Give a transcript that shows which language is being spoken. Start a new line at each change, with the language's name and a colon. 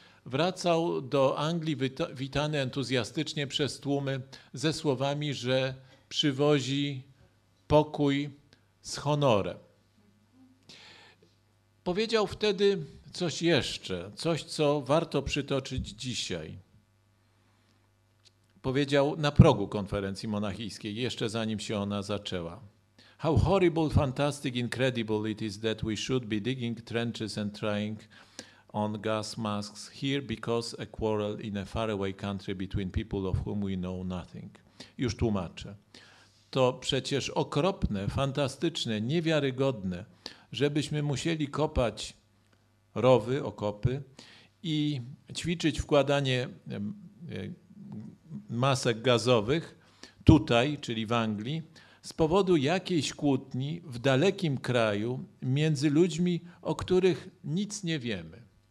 Polish: Wracał do Anglii witany entuzjastycznie przez tłumy ze słowami, że przywozi pokój z honorem. Powiedział wtedy coś jeszcze, coś, co warto przytoczyć dzisiaj. Powiedział na progu konferencji monachijskiej, jeszcze zanim się ona zaczęła.
English: How horrible, fantastic, incredible it is that we should be digging trenches and trying on gas masks here because a quarrel in a faraway country between people of whom we know nothing.
Polish: Już tłumaczę. To przecież okropne, fantastyczne, niewiarygodne, żebyśmy musieli kopać rowy, okopy i ćwiczyć wkładanie masek gazowych tutaj, czyli w Anglii, z powodu jakiejś kłótni w dalekim kraju między ludźmi, o których nic nie wiemy.